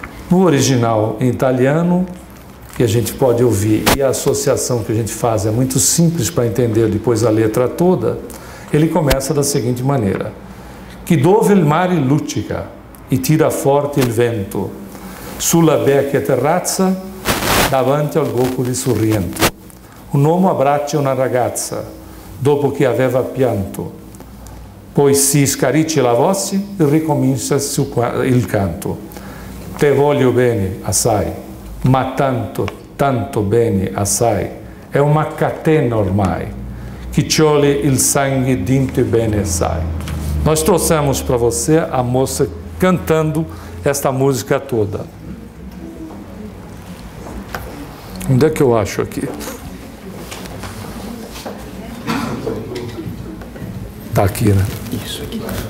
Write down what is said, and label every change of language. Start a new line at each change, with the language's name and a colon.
Portuguese: No original em italiano, que a gente pode ouvir, e a associação que a gente faz é muito simples para entender depois a letra toda, ele começa da seguinte maneira:
Italian: Che dove il mare luccica e tira forte il vento, sulla vecchia terrazza, davanti al golfo di Sorrento. Un uomo abbraccia una ragazza, dopo che aveva pianto, poi si scaricia la voce e ricomincia il canto. Te voglio bene, assai, ma tanto, tanto bene, assai, è una catena ormai, che c'ole il sangue dentro e bene, assai.
Portuguese: Nós trouxemos para você a moça cantando esta música toda. Onde é que eu acho aqui? Está aqui, né? Isso aqui.